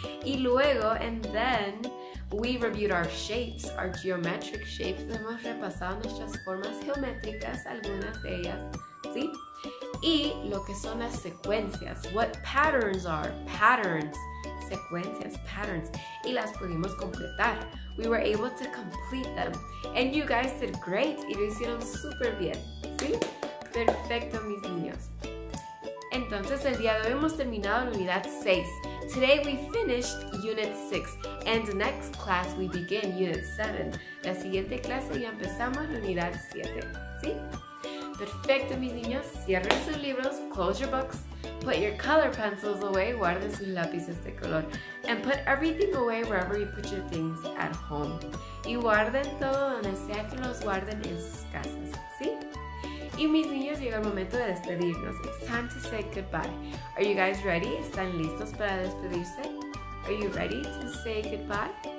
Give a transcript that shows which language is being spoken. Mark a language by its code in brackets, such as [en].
[es] Y luego, [en] and then, we reviewed our shapes, our geometric shapes. [es] Hemos repasado nuestras formas geométricas, algunas de ellas, ¿sí? Y lo que son las secuencias, [en] what patterns are, patterns, [es] secuencias, patterns. Y las pudimos completar. [en] We were able to complete them. And you guys did great. [es] Y lo hicieron súper bien, ¿sí? Perfecto, mis niños. Entonces, el día de hoy hemos terminado la unidad 6. [en] Today we finished unit 6. And the next class we begin unit 7. [es] La siguiente clase ya empezamos la unidad 7, ¿sí? Perfecto, mis niños. Cierren sus libros. [en] Close your books. Put your color pencils away. [es] Guarden sus lápices de color. [en] And put everything away wherever you put your things at home. [es] Y guarden todo donde sea que los guarden en sus casas, ¿sí? Y mis niños, llegó el momento de despedirnos. [en] It's time to say goodbye. Are you guys ready? [es] ¿Están listos para despedirse? [en] Are you ready to say goodbye?